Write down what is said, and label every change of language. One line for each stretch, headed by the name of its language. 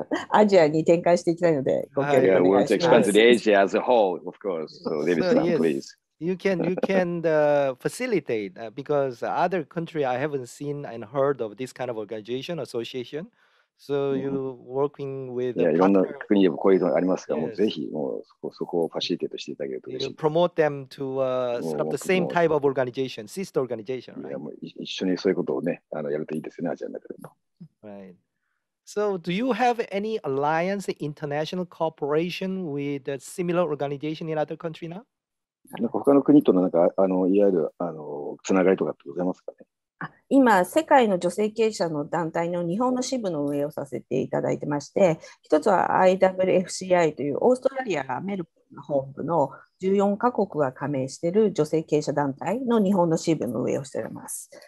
Japanese: アジアに展開していきたいので、ご協力お願いします。
English: Yeah, we'll expand to the Asia as a whole, of course. So, David, please. You can facilitate because other country I haven't seen and heard of this kind of organization association. So you working with.
Japanese: Yeah, いろんな国でもこういうのありますから、ぜひもうそこをファシリテートしていただけると嬉しいです。
English: Promote them to set up the same type of organization, sister organization, right?
Japanese: いや、もう一緒にそういうことをね、やるといいですね、アジアの中でも。
English: Right. So, do you have any alliance, international cooperation with a similar organization in other country now?
Japanese: なんか他の国とのなんかいわゆるつながりとかってございますかね。今、世界の女性経営者の団体の日本の支部の運営をさせていただいてまして、一つは IWFCI というオーストラリアメルボルン本部の14カ国が加盟している女性経営者団体の日本の支部の運営をしております。